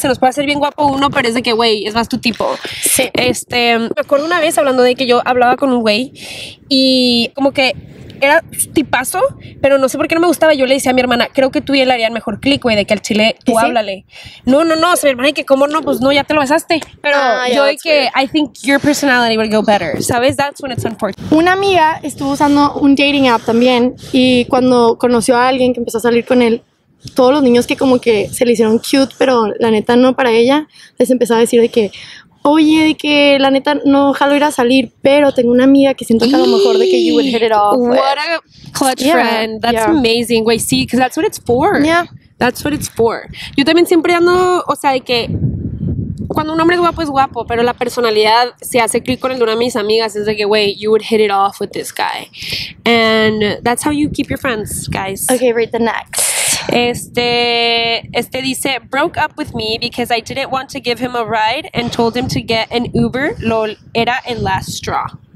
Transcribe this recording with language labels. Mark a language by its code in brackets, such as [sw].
[es] Se nos puede hacer bien guapo uno, pero es de que, güey, es más tu tipo. Sí. Me acuerdo una vez hablando de que yo hablaba con un güey. Y como que... Era tipazo, pero no sé por qué no me gustaba. Yo le decía a mi hermana, creo que tú y él harían mejor click, güey, de que al chile tú háblale. ¿Sí? No, o sea, mi hermana, y que cómo no, pues no, ya te lo besaste. Pero yo dije [en] que, I think your personality would go better, [es] ¿sabes? [en] That's when it's unfortunate. [es] Una amiga estuvo usando un dating app también, y cuando conoció a alguien que empezó a salir con él, todos los niños que como que se le hicieron cute, pero la neta no para ella, les empezó a decir de que, oye, de que la neta no jalo ir a salir, pero tengo una amiga que siento que a lo mejor de que [en] you would hit it off. What a clutch friend. That's amazing. Wait, see, because that's what it's for. Yeah. That's what it's for. [es] Yo también siempre ando, o sea, de que cuando un hombre es guapo, es guapo, pero la personalidad se hace clic con el de una de mis amigas. Es de que, [en] wait, you would hit it off with this guy. And that's how you keep your friends, guys. Okay, read the next. [es] Este dice, [en] broke up with me because I didn't want to give him a ride and told him to get an Uber. [es] Lol, era el [en] last straw.